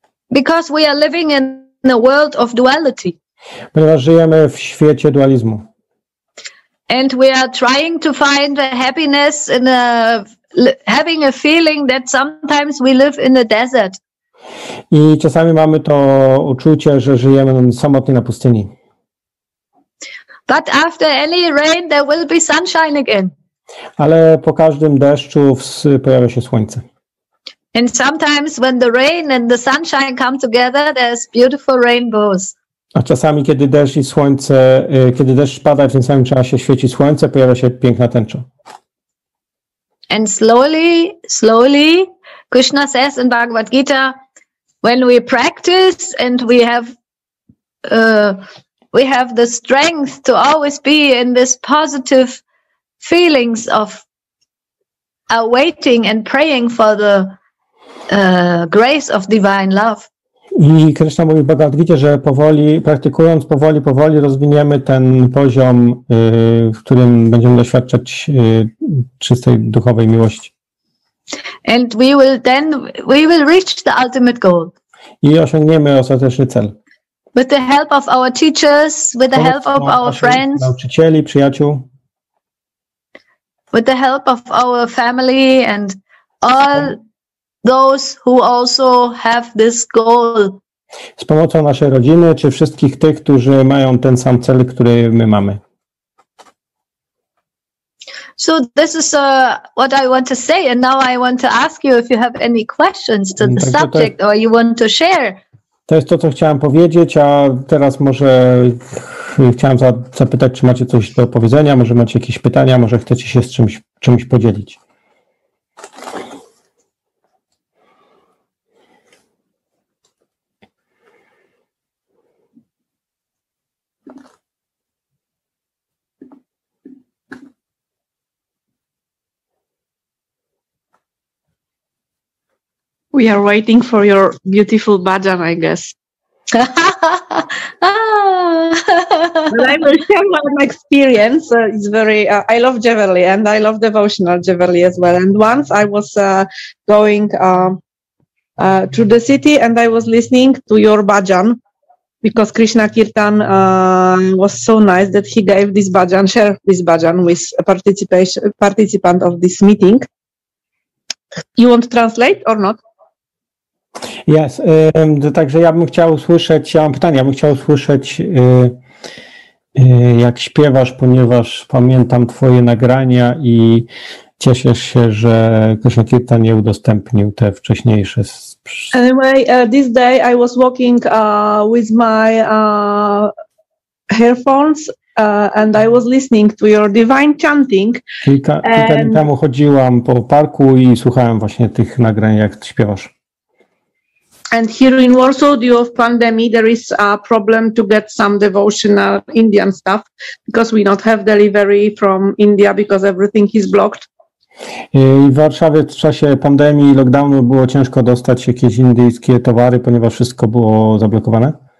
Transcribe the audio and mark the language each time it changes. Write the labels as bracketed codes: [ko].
[en] Because we are living in a world of duality. [pl] Ponieważ żyjemy w świecie dualizmu. [en] And we are trying to find the happiness in having a feeling that sometimes we live in a desert. [pl] I czasami mamy to uczucie, że żyjemy samotnie na pustyni. [en] But after any rain, there will be sunshine again. [pl] Ale po każdym deszczu pojawia się słońce. [en] And sometimes when the rain and the sunshine come together, there's beautiful rainbows. [pl] A czasami, kiedy deszcz pada w tym samym czasie, świeci słońce, pojawia się piękna tęcza. [en] And slowly, slowly, Krishna says in Bhagavad-gita, when we practice and we have the strength to always be in this positive feelings of awaiting and praying for the grace of divine love. [pl] I Krishna mówi w Bhagawadgicie, że powoli, praktykując, powoli rozwiniemy ten poziom, w którym będziemy doświadczać czystej duchowej miłości. [en] And we will reach the ultimate goal. [pl] I osiągniemy ostateczny cel. [en] With the help of our teachers, with the help of our friends, [pl] nauczycieli, przyjaciół, [en] with the help of our family and all those who also have this goal. [pl] Z pomocą naszej rodziny czy wszystkich tych, którzy mają ten sam cel, który my mamy. [en] So this is what I want to say, and now I want to ask you if you have any questions to the subject or you want to share. [pl] To jest to, co chciałem powiedzieć, a teraz może chciałem zapytać, czy macie coś do powiedzenia, może macie jakieś pytania, może chcecie się z czymś podzielić. [en] We are waiting for your beautiful bhajan, I guess. Well, I will share my experience. It's very. I love Jeverly and I love devotional Jeverly as well. And once I was going through the city and I was listening to your bhajan because KrysznaKirtan was so nice that he gave this bhajan, share this bhajan with a participant of this meeting. You want to translate or not? [pl] Yes, także ja bym chciał usłyszeć, ja mam pytanie, ja bym chciał usłyszeć, jak śpiewasz, ponieważ pamiętam twoje nagrania i cieszę się, że KrysznaKirtan nie udostępnił te wcześniejsze. [en] Anyway, this day I was walking with my earphones and I was listening to your divine chanting. [pl] Kilka dni temu chodziłam po parku i słuchałem właśnie tych nagrań, jak ty śpiewasz. [en] And here in Warsaw, due to pandemic, there is a problem to get some devotional Indian stuff because we not have delivery from India because everything is blocked. [pl] W Warszawie w czasie pandemii i lockdownu było ciężko dostać jakieś indyjskie towary, ponieważ wszystko było zablokowane.